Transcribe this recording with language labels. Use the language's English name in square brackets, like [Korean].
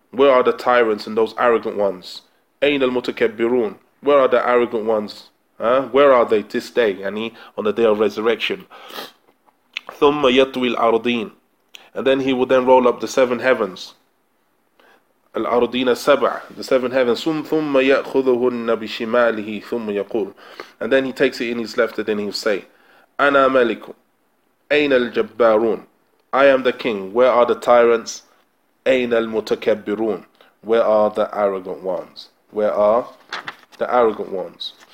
[English] Where are the tyrants and those arrogant ones? [Arabic] أَيْنَ الْمُتَكَبِّرُونَ. [English] Where are the arrogant ones? Where are they this day? يعني on the day of resurrection. [Arabic] ثُمَّ يَطْوِي الْأَرْضِينَ. [English] And then he will then roll up the seven heavens. [Arabic] الأرضين السبع, [English] the seven heavens. [Arabic] ثم يأخذهن بشماله ثم يقول. [English] And then he takes it in his left, and then he'll say, [Arabic] أنا ملك. أين الجبارون. [English] I am the king. Where are the tyrants? [Arabic] أين المتكبرون. [English] Where are the arrogant ones? Where are the arrogant ones?